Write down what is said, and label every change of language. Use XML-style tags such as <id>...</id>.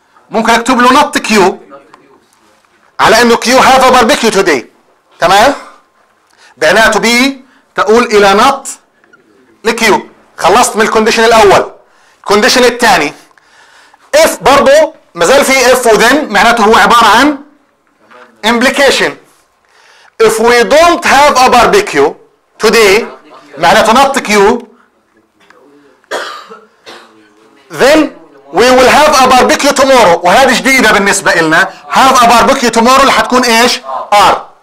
<ar>ممكن أكتب له</ar> <en>not Q</en> <ar>على إنه</ar> <en>Q have a barbecue today.</en> <ar>تمام؟ بعناته be تقول إلى not لQ. خلصت من الكونديشن الأول. الكونديشن الثاني if برضو مازال في if و then، معناته هو عبارة عن implication.</ar> <en>If we don't have a barbecue today</en> <ar>معناته</ar> <en>not Q، then we will have a barbecue tomorrow.</en> <ar>وهذه جديدة بالنسبة لنا،</ar> <en>have a barbecue tomorrow</en> <ar>اللي حتكون ايش؟ R.</ar>